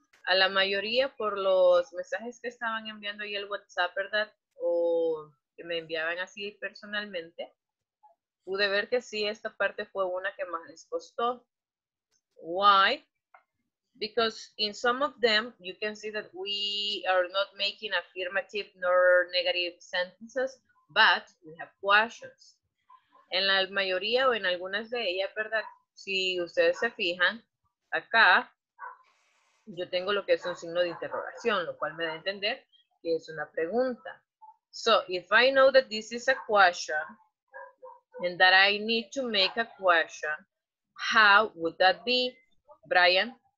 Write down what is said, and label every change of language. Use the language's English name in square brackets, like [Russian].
[Spanish] A la mayoría por los mensajes que estaban enviando ahí el WhatsApp, ¿verdad? O que me enviaban así personalmente. Pude ver que sí, esta parte fue una que más les costó. [English] Why? Because in some of them, you can see that we are not making affirmative nor negative sentences, but we have questions. [Spanish] En la mayoría o en algunas de ellas, ¿verdad? Si ustedes se fijan, acá yo tengo lo que es un signo de interrogación, lo cual me da a entender que es una pregunta. [English] So, if I know that this is a question, and that I need to make a question, how would that be, Brian?